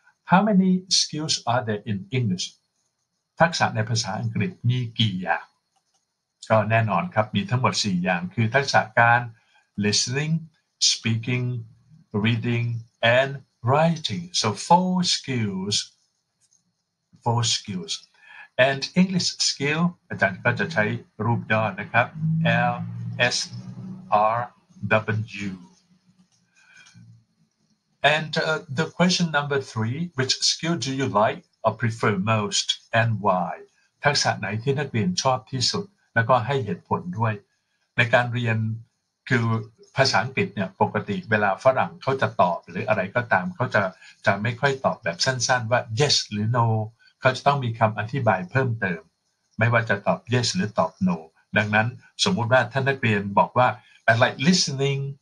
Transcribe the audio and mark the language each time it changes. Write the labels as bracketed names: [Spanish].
[English] how many skills are there in English [Thai] ทักษะในภาษาอังกฤษมีกี่อย่างก็แน่นอนครับมีทั้งหมด4อย่างคือทักษะการ [English] listening, speaking, reading, and writing. So four skills. And English skill, [Thai] อาจารย์ก็จะใช้รูปย่อนะครับ LSRW. [English] And the question number 3, which skill do you like or prefer most and why? [Thai] ทักษะไหนที่นักเรียนชอบที่สุดแล้วก็ให้เหตุผลด้วยในการเรียนคือภาษาอังกฤษเนี่ยปกติเวลาฝรั่งเขาจะตอบหรืออะไรก็ตามเขาจะไม่ค่อยตอบแบบสั้นๆว่า yes หรือ no เขาจะต้องมีคำอธิบายเพิ่มเติมไม่ว่าจะตอบ yes หรือตอบ no ดังนั้นสมมุติว่าท่านนักเรียนบอกว่า [English] I like listening